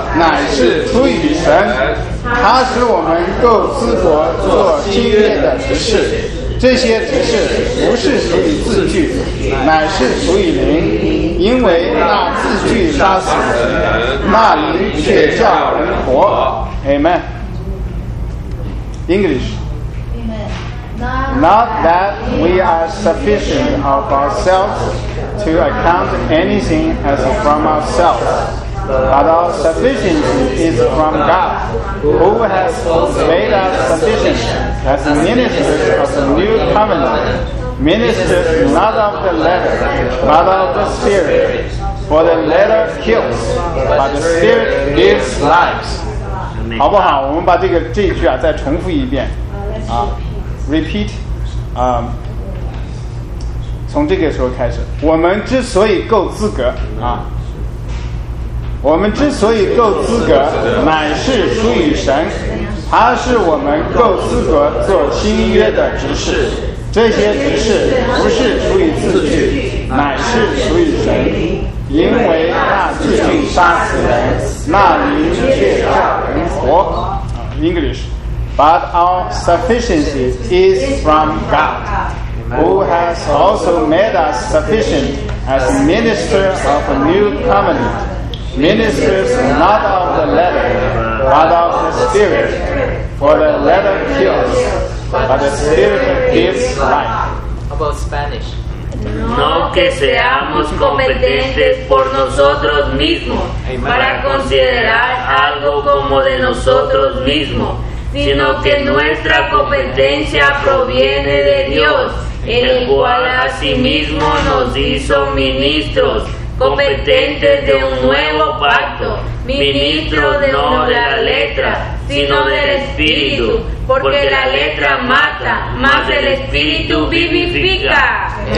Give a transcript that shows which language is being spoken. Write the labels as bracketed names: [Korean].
[Chinese] 乃是出于神，他使我们够资格做新约的执事。这些只是不是属于字句，乃是属于灵，因为那字句杀死人，那灵却叫人活。 Amen。 [English] English. Amen. Not that we are sufficient of ourselves to account anything as from ourselves, but our sufficiency is from God, who has made us sufficient as ministers of the new covenant, ministers not of the letter, but of the Spirit. For the letter kills, but the Spirit gives life. [Chinese] 好不好？我们把这一句啊再重复一遍啊 ，repeat 啊，从这个时候开始，我们之所以够资格啊，我们之所以够资格，乃是出于神，他是我们够资格做新约的执事。这些执事不是出于自己，乃是出于神。因为那自尽杀死人，那灵却叫人活。 [English] English, but our sufficiency is from God, who has also made us sufficient as minister of a new covenant, ministers not of the letter, but of the Spirit. For the letter kills, but the Spirit gives life. How about Spanish? [Spanish] No que seamos competentes por nosotros mismos para considerar algo como de nosotros mismos, sino que nuestra competencia proviene de Dios, el cual asimismo nos hizo ministros competentes de un nuevo pacto, ministros no de la letra, sino del Espíritu, porque la letra mata, mas el Espíritu vivifica.